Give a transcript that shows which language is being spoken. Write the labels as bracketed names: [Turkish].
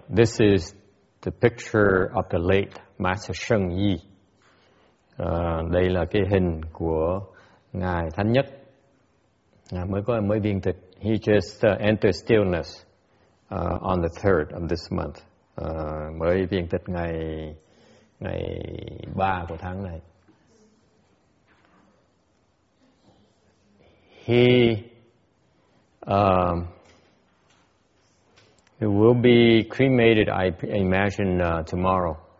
[English] This is the picture of the late Master Sheng Yi. [Vietnamese] Đây là cái hình của Ngài Thánh Nhất. Ngài mới viên tịch. [English] He just entered stillness on the 3rd of this month. [Vietnamese] Mới viên tịch ngày 3 của tháng này. [English] He will be cremated, I imagine, tomorrow.